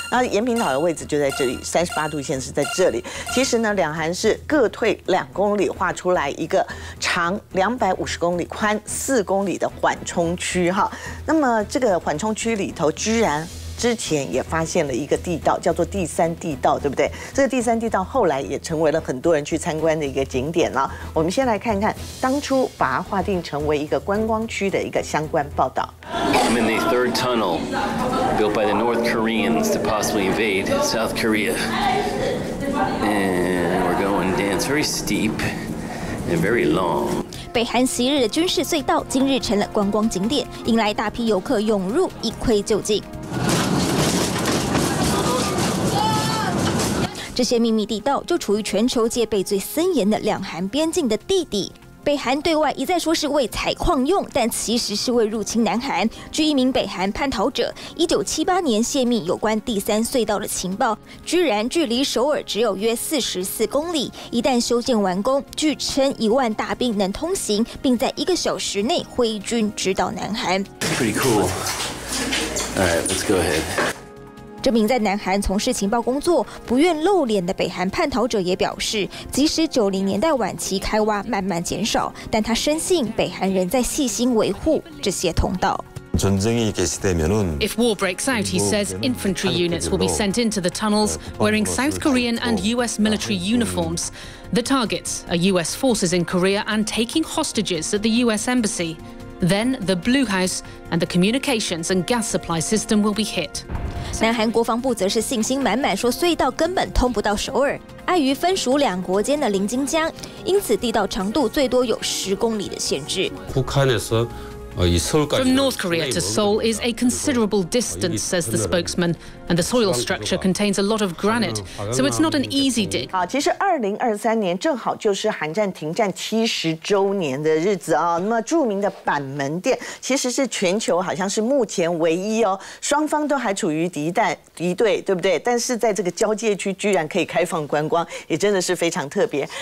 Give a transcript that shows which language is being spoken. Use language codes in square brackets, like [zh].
[zh] 那延坪岛的位置就在这里，38度线是在这里。其实呢，两韩是各退2公里，画出来一个长250公里、宽4公里的缓冲区哈。那么这个缓冲区里头，居然之前也发现了一个地道，叫做第三地道，对不对？这个第三地道后来也成为了很多人去参观的一个景点了。我们先来看看当初把它划定成为一个观光区的一个相关报道。 [en] I'm in the third tunnel built by the North Koreans to possibly invade South Korea, and we're going down. It's very steep and very long. [zh] 北韩昔日的军事隧道今日成了观光景点，引来大批游客涌入一窥究竟。这些秘密地道就处于全球戒备最森严的两韩边境的地底。北韩对外一再说是为采矿用，但其实是为入侵南韩。据一名北韩叛逃者1978年泄密有关第三隧道的情报，居然距离首尔只有约44公里，一旦修建完工，据称10000大兵能通行，并在1个小时内挥军直捣南韩。 [en] Pretty cool. Alright, let's go ahead. [zh] 这名在南韩从事情报工作、不愿露脸的北韩叛逃者也表示，即使90年代晚期开挖慢慢减少，但他深信北韩人在细心维护这些通道。 [en] If war breaks out, he says, infantry units will be sent into the tunnels wearing South Korean and U.S. military uniforms. The targets are U.S. forces in Korea and taking hostages at the U.S. embassy. Then the Blue House and the communications and gas supply system will be hit. [zh] 南韩国防部则是信心满满，说隧道根本通不到首尔。碍于分属两国间的临津江，因此地道长度最多有10公里的限制。 [ko] 북한에서 이 서울까지 [en] From North Korea to Seoul is a considerable distance, says the spokesman, and the soil structure contains a lot of granite, so it's not an easy dig. [zh] 好，其实2023年正好就是韩战停战70周年的日子啊。那么著名的板门店，其实是全球好像是目前唯一哦，双方都还处于敌对，对不对？但是在这个交界区居然可以开放观光，也真的是非常特别。